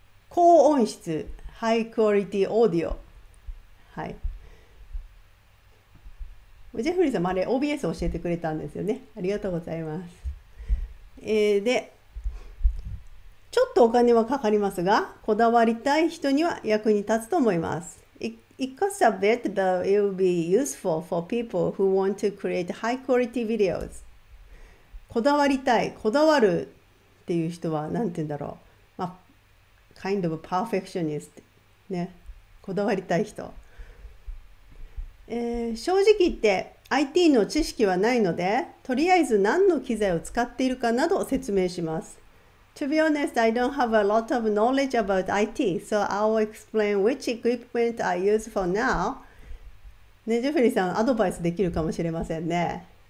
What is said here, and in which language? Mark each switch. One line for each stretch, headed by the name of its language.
Japanese: 高音質、ハイクオリティオーディオ。はい。ジェフリーさんもあれ、OBS 教えてくれたんですよね。ありがとうございます。で、ちょっとお金はかかりますが、こだわりたい人には役に立つと思います。
English: It costs a bit, but it will be useful for people who want to create high quality videos。
Japanese: こだわりたい、こだわるっていう人は、なんて言うんだろう。
English: Kind of perfectionist ね、
Japanese: こだわりたい人。正直言って IT の知識はないので、とりあえず何の機材を使っているかなど説明します。
English: To be honest, I don't have a lot of knowledge about IT, so I'll explain which equipment I use for now。
Japanese: ね、ジェフリーさん、アドバイスできるかもしれませんね。